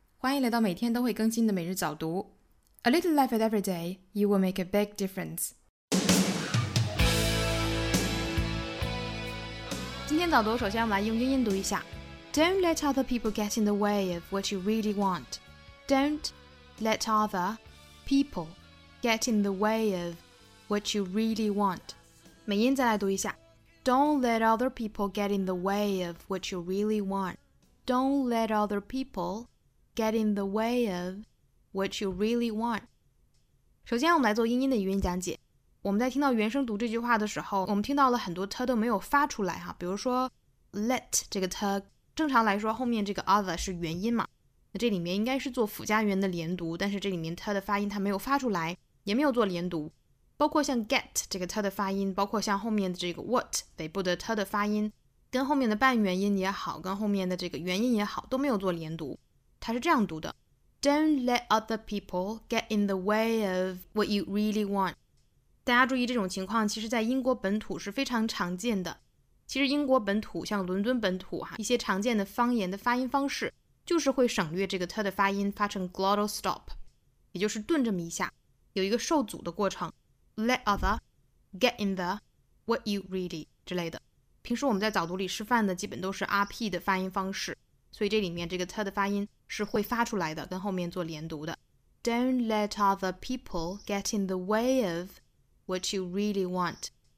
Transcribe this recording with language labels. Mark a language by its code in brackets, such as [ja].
[zh] 欢迎来到每天都会更新的每日早读。 [en] A little life at every day, you will make a big difference. [zh] 今天早读首先我们来用英音读一下。 [en] Don't let other people get in the way of what you really want. Don't let other people get in the way of what you really want. [zh] 美音再来读一下。 [en] Don't let other people get in the way of what you really want. Don't let other people get in the way of what you really want. [zh] 首先我们来做英音的语音讲解。我们在听到原声读这句话的时候，我们听到了很多 t 都没有发出来哈，比如说 let 这个 t， 正常来说后面这个 other 是元音嘛，那这里面应该是做辅加元的连读，但是这里面 t 的发音它没有发出来，也没有做连读。包括像 get 这个 t 的发音，包括像后面的这个 what 北部的 t 的发音，跟后面的半元音也好，跟后面的这个元音也好，都没有做连读，它是这样读的 [en] Don't let other people get in the way of what you really want。 [zh] 大家注意这种情况其实在英国本土是非常常见的。其实英国本土像伦敦本土一些常见的方言的发音方式就是会省略这个 t 的发音，发成 glottal stop， 也就是顿这么一下，有一个受阻的过程， [en] let other get in the what you really [zh] 之类的。平时我们在早读里示范的基本都是 RP 的发音方式，所以这里面这个 t 的发音是会发出来的，跟后面做连读的。 [en] Don't let other people get in the way of what you really want。